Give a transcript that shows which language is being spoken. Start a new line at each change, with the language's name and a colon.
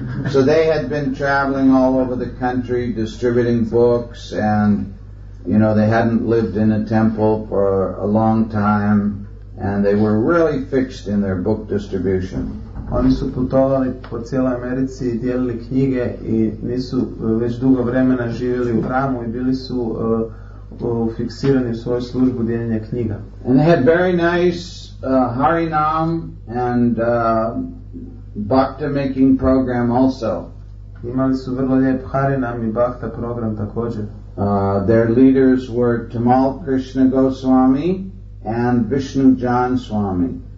English: So they had been traveling all over the country distributing books and, you know, they hadn't lived in a temple for a long time and they were really fixed in their book distribution.
Bosnian: Oni su putovali po cijeloj Americi i dijelili knjige i nisu već dugo vremena živjeli u hramu i bili su fiksirani u svoju službu dijeljenja knjiga.
English: And they had very nice Harinam and Bhakta making program also.
Bosnian: Imali su vrlo lijep Harinam i Bhakta program također.
English: Their leaders were Tamal Krishna Goswami and Vishnu Jan Swami.